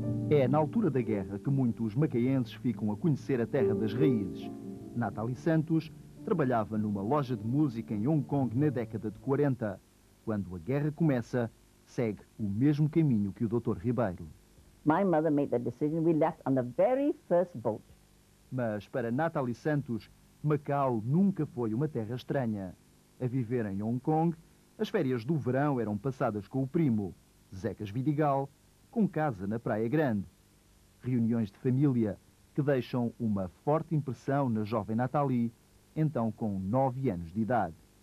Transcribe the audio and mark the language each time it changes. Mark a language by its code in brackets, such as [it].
[pt] É na altura da guerra que muitos macaenses ficam a conhecer a terra das raízes. Natalie Santos trabalhava numa loja de música em Hong Kong na década de 40. Quando a guerra começa, segue o mesmo caminho que o Dr. Ribeiro. [en] My mother made the decision we left on the very first boat. [pt] Mas para Natalie Santos, Macau nunca foi uma terra estranha. A viver em Hong Kong, as férias do verão eram passadas com o primo, Zecas Vidigal, com casa na Praia Grande. Reuniões de família que deixam uma forte impressão na jovem Natalie, então com 9 anos de idade.